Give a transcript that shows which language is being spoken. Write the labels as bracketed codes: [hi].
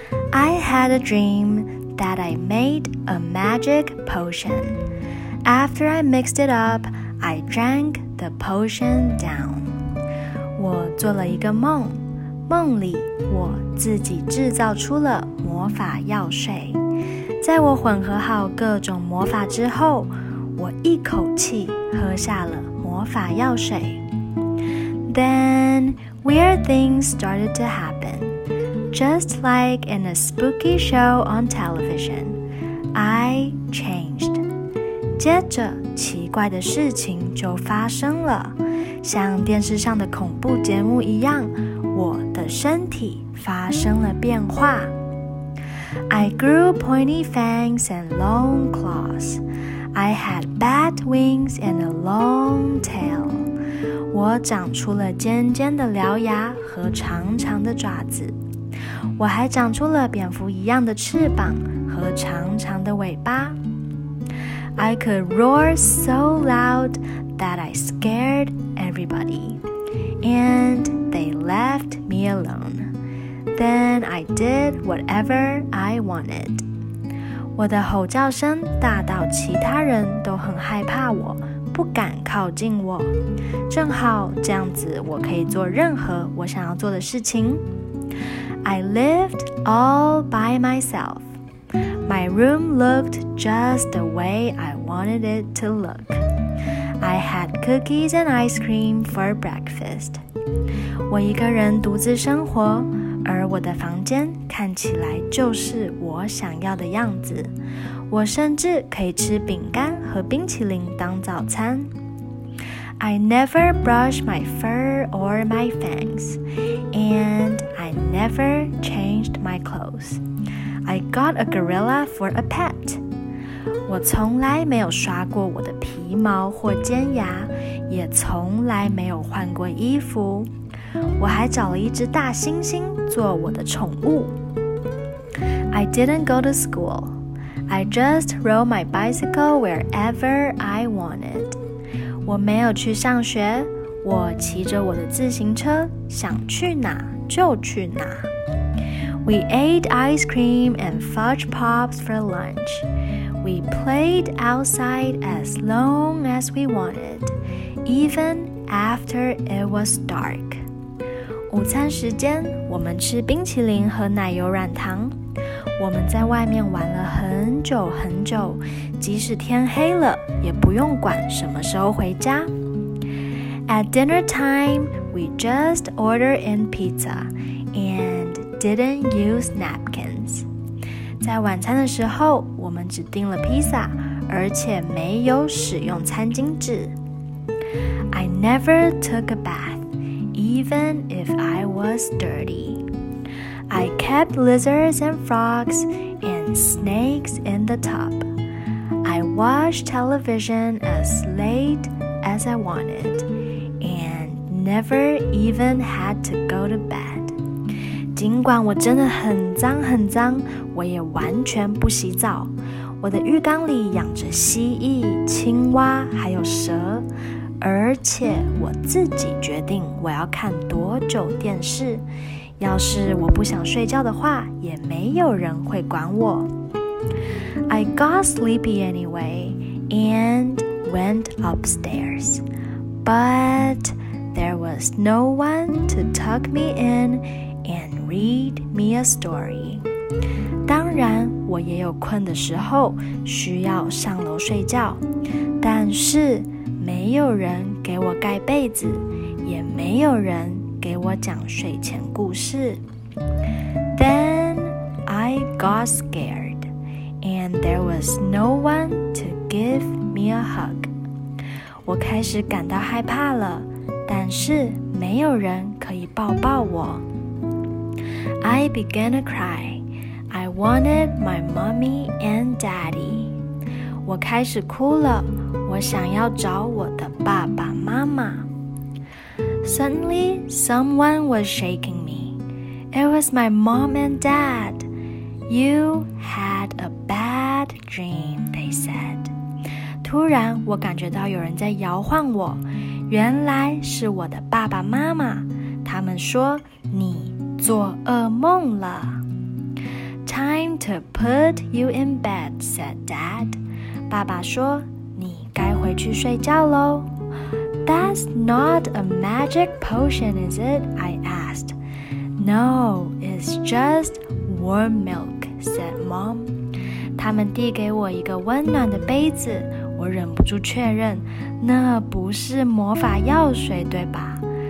[en] I had a dream that I made a magic potion. After I mixed it up, I drank the potion down. [zh] 我做了一个梦，梦里我自己制造出了魔法药水，在我混合好各种魔法之后，我一口气喝下了魔法药水。 [en] Then weird things started to happen. Just like in a spooky show on television, I changed. [zh] 接着奇怪的事情就发生了，像电视上的恐怖节目一样，我的身体发生了变化。 [en] I grew pointy fangs and long claws. I had bat wings and a long tail. [zh] 我长出了尖尖的獠牙和长长的爪子。我还长出了蝙蝠一样的翅膀和长长的尾巴。 [en] I could roar so loud that I scared everybody. And they left me alone. Then I did whatever I wanted. [zh] 我的吼叫声大到其他人都很害怕我，不敢靠近我。正好这样子我可以做任何我想要做的事情。 [en] I lived all by myself. My room looked just the way I wanted it to look. I had cookies and ice cream for breakfast. [zh] 我一个人独自生活，而我的房间看起来就是我想要的样子。我甚至可以吃饼干和冰淇淋当早餐。 [en] I never brush my fur or my fangs, and I never changed my clothes. I got a gorilla for a pet. [zh] 我从来没有刷过我的皮毛或尖牙，也从来没有换过衣服。我还找了一只大猩猩做我的宠物。 [en] I didn't go to school. I just rode my bicycle wherever I wanted. [zh] 我没有去上学，我骑着我的自行车，想去哪就去哪。 [en] We ate ice cream and fudge pops for lunch. We played outside as long as we wanted, even after it was dark. [zh] 午餐时间，我们吃冰淇淋和奶油软糖。我们在外面玩了很久很久，即使天黑了，也不用管什么时候回家。 [en] At dinner time, we just ordered in pizza and didn't use napkins. [zh] 在晚餐的时候，我们只订了披萨，而且没有使用餐巾纸。 [en] I never took a bath. Even if I was dirty, I kept lizards and frogs and snakes in the tub. I watched television as late as I wanted and never even had to go to bed. [zh] 尽管我真的很脏很脏，我也完全不洗澡。我的浴缸里养着蜥蜴、青蛙还有蛇。而且我自己决定我要看多久电视，要是我不想睡觉的话，也没有人会管我。 [en] I got sleepy anyway and went upstairs. But there was no one to tuck me in and read me a story. [zh] 当然我也有困的时候需要上楼睡觉，但是没有人给我盖被子，也没有人给我讲睡前故事。 [en] Then I got scared, and there was no one to give me a hug. [zh] 我开始感到害怕了，但是没有人可以抱抱我。 [en] I began to cry. I wanted my mommy and daddy. [zh] 我开始哭了，我想要找我的爸爸妈妈。 [en] Suddenly, someone was shaking me. It was my mom and dad. You had a bad dream, they said. [zh] 突然我感觉到有人在摇晃我，原来是我的爸爸妈妈，他们说你做噩梦了。 [en] Time to put you in bed, said dad. [zh] 爸爸说你该回去睡觉咯。 [en] That's not a magic potion, is it? I asked. No, it's just warm milk, said mom. [zh] 他们递给我一个温暖的杯子，我忍不住确认，那不是魔法药水，对吧？